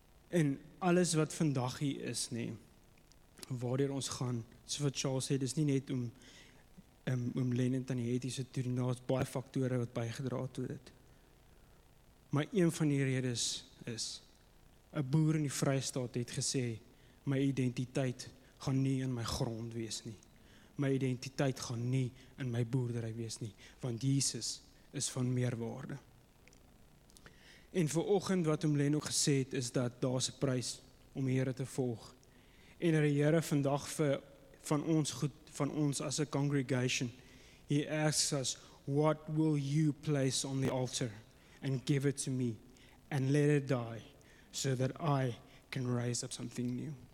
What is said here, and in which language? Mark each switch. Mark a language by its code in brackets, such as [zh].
[af] En alles wat vandag hier is, nee, waardeur ons gaan, so wat Charles sê, dis nie net om Lennant en Hattie se toer, daar is baie faktore wat bygedra het tot dit. Maar een van die redes is, 'n boer in die Vrystaat het gesê, my identiteit gaan nie in my grond wees nie. My identiteit gaan nie in my boerdery wees nie, want Jesus is van meer waarde. En vir oggend wat Omlen ook gesê het, is dat daar 'n prys om die Here te volg. En dat die Here vandag vir van ons goed, van ons as 'n [en] congregation, he asks us, what will you place on the altar and give it to me and let it die, so that I can raise up something new.